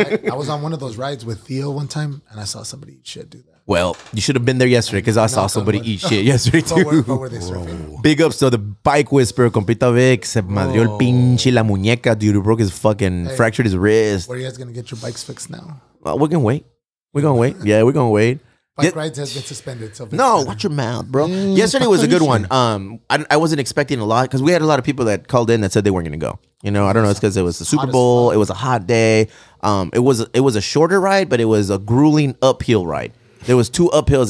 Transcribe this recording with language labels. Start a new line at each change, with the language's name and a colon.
English: I was on one of those rides with Theo one time and I saw somebody eat shit, dude. Well, you should have been there yesterday because I saw somebody eat shit yesterday too. Where were they surfing? Big ups to the bike whisperer, compita Vic.
Spanish: Se madrió el pinche la muñeca, dude.
English: He broke his fractured his wrist. Where are you guys going to get your bikes fixed now? Well, we can wait. We're going to wait. Yeah, we're going to wait. Bike rides has been suspended. So no, watch your mouth, bro. Yesterday was a good one. I wasn't expecting a lot because we had a lot of people that called in that said they weren't going to go. You know, I don't know. It's because it was the Super Bowl. It was a hot day. It was a shorter ride, but it was a grueling uphill ride. There was two uphills.